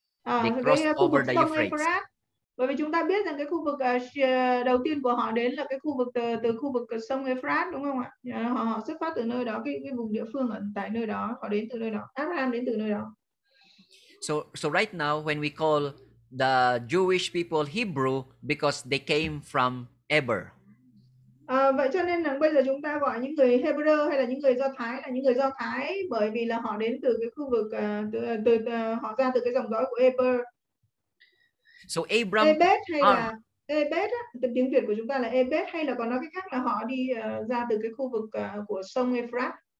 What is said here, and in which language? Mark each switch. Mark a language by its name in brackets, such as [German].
[English] They crossed over the Euphrates. [Vietnamese] Bởi vì chúng ta biết rằng cái khu vực đầu tiên của họ đến là cái khu vực từ khu vực sông Euphrates, đúng không ạ? Họ xuất phát từ nơi đó, cái vùng địa phương ở tại nơi đó, họ đến từ nơi đó. Abraham đến từ nơi đó. [English] So right now when we call the Jewish people Hebrew because they came from Eber. [Vietnamese] Vậy cho nên là bây giờ chúng ta gọi những người Hebrew hay là những người Do Thái là những người Do Thái bởi vì là họ đến từ cái khu vực họ ra từ cái dòng dõi của Eber. [English] So Abram [Vietnamese] Ebed hay là Ebed á, từ tiếng Việt của chúng ta là Ebed hay là còn nói cách khác là họ đi ra từ cái khu vực của sông Euphrates.